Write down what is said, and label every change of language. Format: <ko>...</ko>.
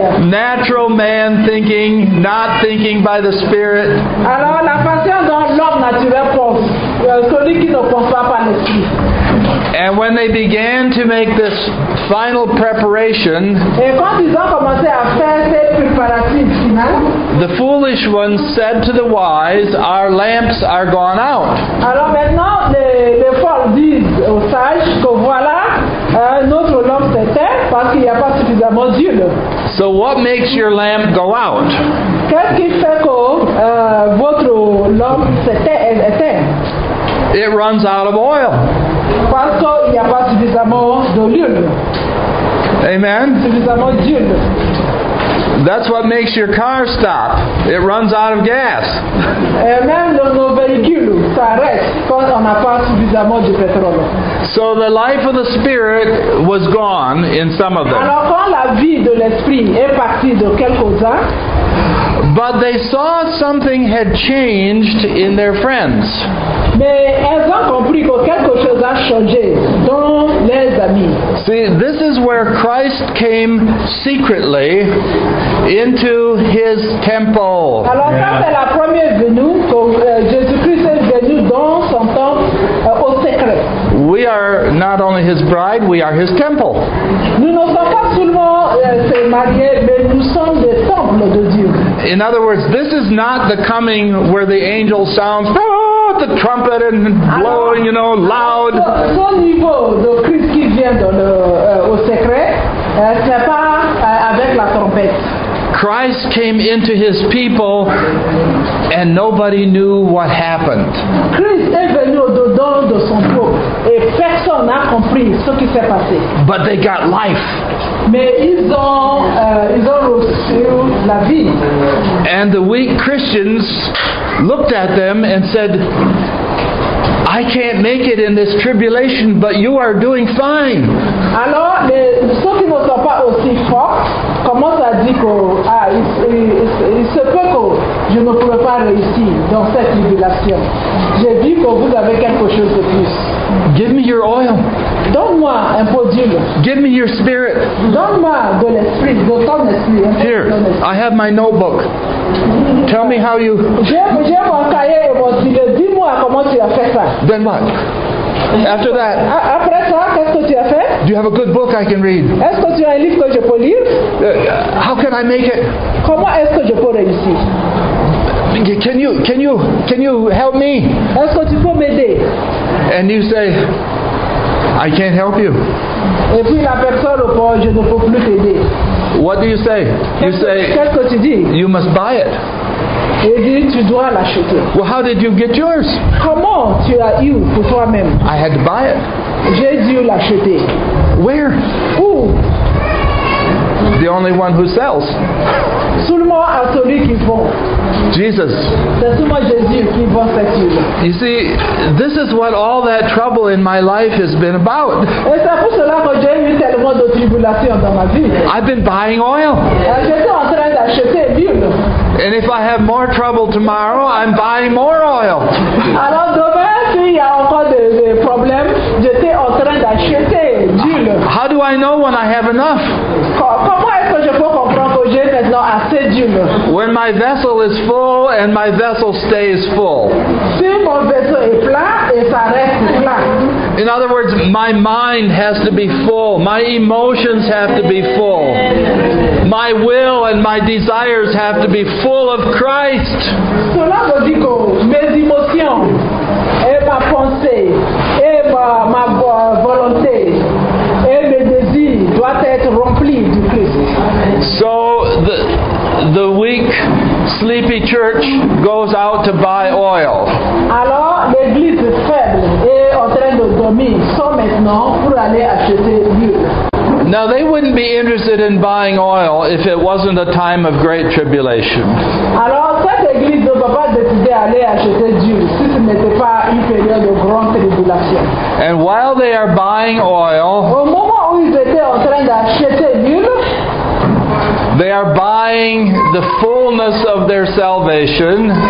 <en>Natural man thinking, not thinking by the Spirit.</en> <fr>Alors la façon dont l'homme naturel pense, celui qui ne pense pas par l'esprit.</fr> <en>And when they began to make this final preparation,</en> <fr>et quand ils ont commencé à faire ces préparatifs finaux,</fr> <en>the foolish ones said to the wise, "Our lamps are gone out."</en> <fr>Alors maintenant, les folles disent aux sages que voilà, notre lampe s'éteint parce qu'il n'y a pas suffisamment d'huile.</fr> <en>So what makes your lamp go out?</en> <fr>Qu'est-ce qui fait que votre lampe s'éteint?</fr> <en>It runs out of oil.</en> <fr>Parce qu'il n'y a pas suffisamment d'huile.</fr> <en>Amen.</en> <fr>Suffisamment d'huile.</fr> <en>That's what makes your car stop. It runs out of gas.</en> <fr>Et même dans nos véhicules, ça reste quand on n'a pas suffisamment de pétrole.</fr> <en>So the life of the Spirit was gone in some of them.</en> <fr>Alors quand la vie de l'esprit est partie de quelques-uns,</fr> <en>but they saw something had changed in their friends.</en> <fr>Mais elles ont compris que quelque chose a changé dans les amis.</fr> <en>See, this is where Christ came secretly into his temple.</en> <fr>Alors ça, c'est la première venue que Jésus-Christ est venu dans son temple au secret.</fr> <en>We are not only his bride, we are his temple.</en> <fr>Nous ne sommes pas seulement ses mariés, mais nous sommes des temples de Dieu.</fr> <en>In other words, this is not the coming where the angel sounds the trumpet and blowing, you know, loud.</en> <fr>Ce niveau de Christ qui vient dans au secret, c'est pas avec la trompette.</fr> <en>Christ came into his people and nobody knew what happened.</en> <fr>Christ est venu au-dedans de son peuple et personne n'a compris ce qui s'est passé.</fr> <en>But they got life.</en> <fr>Mais ils ont reçu la vie.</fr> <en>And the weak Christians looked at them and said, "I can't make it in this tribulation, but you are doing fine."</en> <fr>Alors, ceux qui ne sont pas aussi forts commencent à dire qu'il se peut que je ne pourrais pas réussir dans cette tribulation. J'ai dit que vous avez quelque chose de plus.</fr> <en>Give me your oil.</en> <fr>Donne-moi un peu d'huile.</fr> <en>Give me your spirit.</en> <fr>Donne-moi de l'esprit, de ton esprit.</fr> <en>Here, I have my notebook. Tell me how you...</en> <fr>J'ai mon cahier et mon stylo. Dis-moi comment tu as fait ça.</fr> <en>Then what? After that.</en> <fr>Après ça, qu'est-ce que tu as fait?</fr> <en>Do you have a good book I can read?</en> <fr>Est-ce que tu as un livre que je peux lire?</fr> <en>How can I make it?</en> <fr>Comment est-ce que je peux réussir?</fr> <en>Can you help me?</en> <fr>Est-ce que tu peux m'aider?</fr> <en>And you say, "I can't help you."</en> <fr>Et puis la personne répond, je ne peux plus t'aider.</fr> <en>What do you say? You say,</en> <fr>qu'est-ce que tu dis?</fr> <en>You must buy it.</en> <fr>Et dit, tu dois l'acheter.</fr> <en>Well, how did you get yours?</en> <fr>Comment tu as eu pour toi-même?</fr> <en>I had to buy it.</en> <fr>J'ai dû l'acheter.</fr> <en>Where?</en> <fr>Où?</fr> <en>The only only one who sells.</en> <fr>Seulement à celui qui vend.</fr> <en>Jesus.</en> <fr>C'est seulement Jésus qui vend cette huile.</fr> <en>You see, this is what all that trouble in my life has been about.</en> <fr>Et c'est pour cela que j'ai eu tellement de tribulations dans ma vie.</fr> <en>I've been buying oil.</en> <fr>J'étais en train d'acheter l'huile.</fr> <en>And if I have more trouble tomorrow, I'm buying more oil.</en> <fr>Alors demain, s'il y a encore des problèmes, j'étais en train d'acheter d'huile.</fr> <en>How do I know when I have enough?</en> <fr>Comment est-ce que je peux comprendre que j'ai maintenant assez d'huile?</fr> <en>When my vessel is full and my vessel stays full.</en> <fr>Si mon vaisseau est plein et ça reste plein.</fr> <en>In other words, my mind has to be full. My emotions have to be full. My will and my desires have to be full of Christ.</en> <fr>Cela veut dire que mes émotions et ma pensée et ma volonté et mes désirs doivent être remplis du Christ.</fr> <en>So the weak, sleepy church goes out to buy oil.</en> <fr>Alors l'église faible est en train de dormir sans maintenant pour aller acheter l'huile.</fr> <en>Now they wouldn't be interested in buying oil if it wasn't a time of great tribulation.</en> <fr>Alors cette église ne va pas décider d'aller acheter d'huile si ce n'était pas une période de grande tribulation.</fr> <en>And while they are buying oil,</en> <fr>au moment où ils étaient en train d'acheter d'huile,</fr> <en>they are buying the fullness of their salvation.</en>